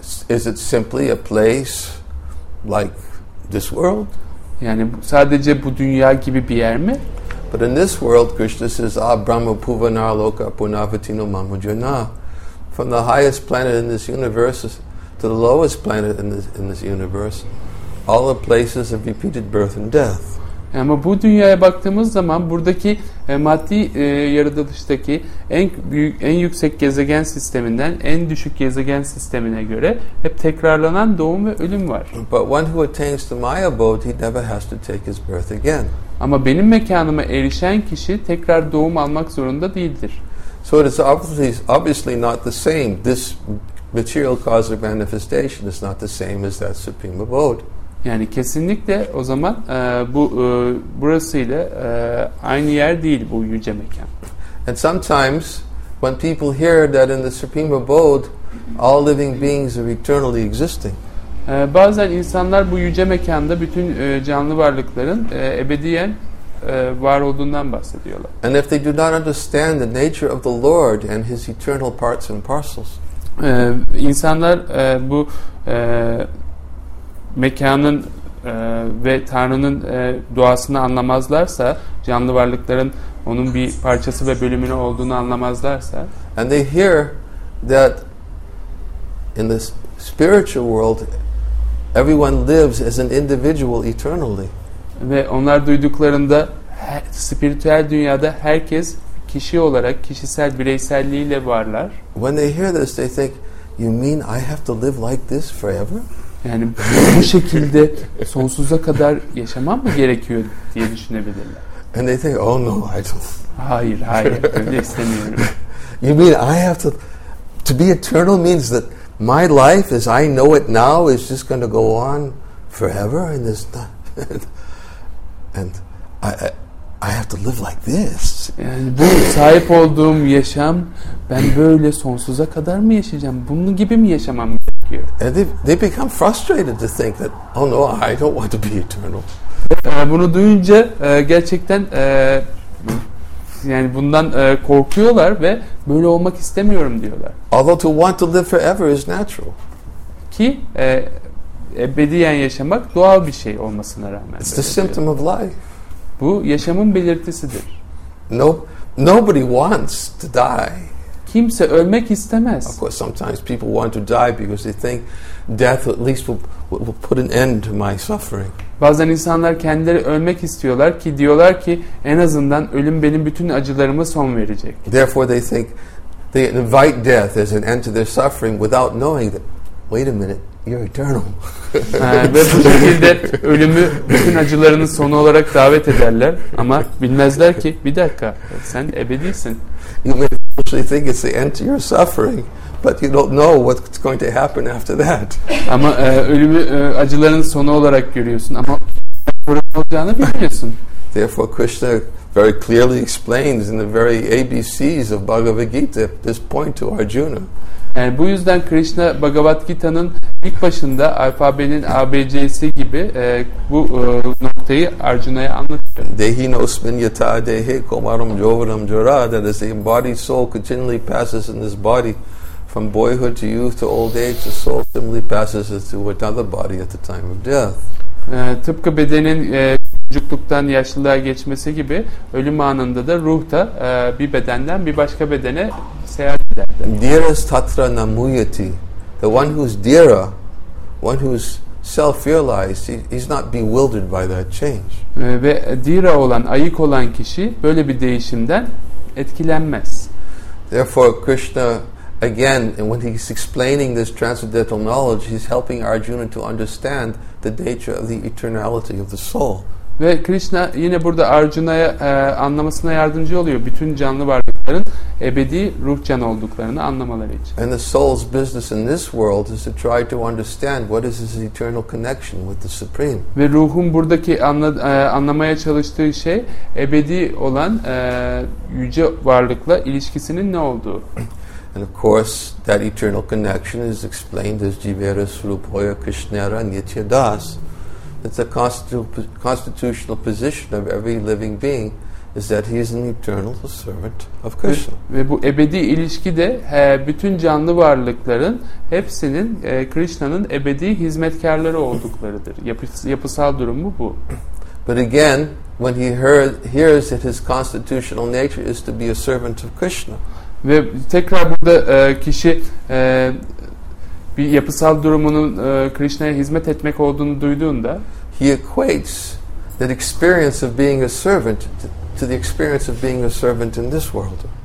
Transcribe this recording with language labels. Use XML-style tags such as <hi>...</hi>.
<en>Is it simply a place like this world?</en> <tr>Yani sadece bu dünya gibi bir yer mi?</tr> <en>But in this world, Krishna says, "Ah,</en> <sa>Brahma Puvana Loka Punavatino Mamujana."</sa> <en>From the highest planet in this universe to the lowest planet in this universe, all the places of repeated birth and death.</en> <tr>Ama bu dünyaya baktığımız zaman buradaki maddi yaratılıştaki en büyük, en yüksek gezegen sisteminden en düşük gezegen sistemine göre hep tekrarlanan doğum ve ölüm var.</tr> <en>But one who attains to my abode, he never has to take his birth again.</en> <tr>Ama benim mekanıma erişen kişi tekrar doğum almak zorunda değildir.</tr> <en>So it is obviously not the same. This material cosmic manifestation is not the same as that supreme abode.</en> <tr>Yani kesinlikle o zaman burasıyla aynı yer değil bu yüce mekan.</tr> <en>And sometimes when people hear that in the supreme abode all living beings are eternally existing.</en> <tr>Bazen insanlar bu yüce mekanda bütün canlı varlıkların ebediyen var olduğundan bahsediyorlar.</tr> <en>And if they do not understand the nature of the Lord and his eternal parts and parcels.</en> <tr>İnsanlar bu mekanın ve Tanrı'nın duasını anlamazlarsa, canlı varlıkların onun bir parçası ve bölümünü olduğunu anlamazlarsa.</tr> <en>And they hear that in this spiritual world everyone lives as an individual eternally.</en> <tr>Ve onlar duyduklarında spiritüel dünyada herkes kişi olarak kişisel bireyselliğiyle varlar.</tr> <en>When they hear this they think, you mean I have to live like this forever?</en> <tr>Yani bu şekilde sonsuza kadar yaşamam mı gerekiyor diye düşünebilirler.</tr> <en>And they think, oh no, I don't.</en> <tr>Hayır, öyle istemiyorum.</tr> <en>You mean I have to be eternal means that my life as I know it now is just going to go on forever in this and I have to live like this.</en> <tr>Yani bu sahip olduğum yaşam, ben böyle sonsuza kadar mı yaşayacağım? Bunun gibi mi yaşamam gerekiyor?</tr> <en>And they become frustrated to think that, oh no, I don't want to be eternal.</en> <tr>Bunu duyunca gerçekten yani bundan korkuyorlar ve böyle olmak istemiyorum diyorlar.</tr> <en>Although to want to live forever is natural.</en> <tr>Ki ebediyen yaşamak doğal bir şey olmasına rağmen.</tr> <en>It's the symptom of life.</en> <tr>Bu yaşamın belirtisidir.</tr> <en>Nope, nobody wants to die.</en> <tr>Kimse ölmek istemez.</tr> <en>Of course, sometimes people want to die because they think death at least will put an end to my suffering.</en> <tr>Bazen insanlar kendileri ölmek istiyorlar ki diyorlar ki en azından ölüm benim bütün acılarıma son verecek.</tr> <en>Therefore they think they invite death as an end to their suffering without knowing that, wait a minute, you're eternal.</en> <tr>Ve bu şekilde ölümü bütün acılarının sonu olarak davet ederler ama bilmezler ki bir dakika sen ebedisin.</tr> <en>You may actually think it's the end to your suffering, but you don't know what's going to happen after that.</en> <tr>Ama ölümü acıların sonu olarak görüyorsun ama burada olacağını bilmiyorsun.</tr> <en>Therefore Krishna very clearly explains in the very ABCs of Bhagavad Gita this point to Arjuna.</en> <tr>Yani bu yüzden Krishna Bhagavad Gita'nın ilk başında alfabenin ABC'si gibi bu noktayı Arjuna'ya anlatıyor.</tr> <sa>Dehino sminyata dehe komaram jovaram jora,</sa> <en>that is the embodied soul continually passes in this body from boyhood to youth to old age, the soul similarly passes into another body at the time of death.</en> <tr>Tıpkı bedenin çocukluktan yaşlılığa geçmesi gibi ölüm anında da ruh da bir bedenden bir başka bedene seyahat eder.</tr> <en>Dearest</en> <sa>tatra namuyati,</sa> <en>the one who's dearer, one who's self-realized, he's not bewildered by that change.</en> <tr>Ve dira olan, ayık olan kişi böyle bir değişimden etkilenmez.</tr> <en>Therefore Krishna again, and when he's explaining this transcendental knowledge, he's helping Arjuna to understand the nature of the eternality of the soul.</en> <tr>Ve Krishna yine burada Arjuna'ya anlamasına yardımcı oluyor. Bütün canlı varlıkların ebedi ruh canı olduklarını anlamaları için.</tr> <en>And the soul's business in this world is to try to understand what is its eternal connection with the Supreme.</en> <tr>Ve ruhun buradaki anlamaya çalıştığı şey ebedi olan yüce varlıkla ilişkisinin ne olduğu.</tr> <en>And of course that eternal connection is explained as</en> <bn>Jivera Srupoya Krishnara Nityadas.</bn> <en>It's a constitutional position of every living being is that he is an eternal servant of Krishna.</en> <tr>Ve bu ebedi ilişki de bütün canlı varlıkların hepsinin Krishna'nın ebedi hizmetkarları olduklarıdır. Yapısal durum bu.</tr> <en>But again, when he hears that his constitutional nature is to be a servant of Krishna.</en> <tr>Ve tekrar burada kişi bir yapısal durumunun Krishna'ya hizmet etmek olduğunu duyduğunda,</tr> <en>he equates that experience of being a servant to the experience of being a servant in this world.</en>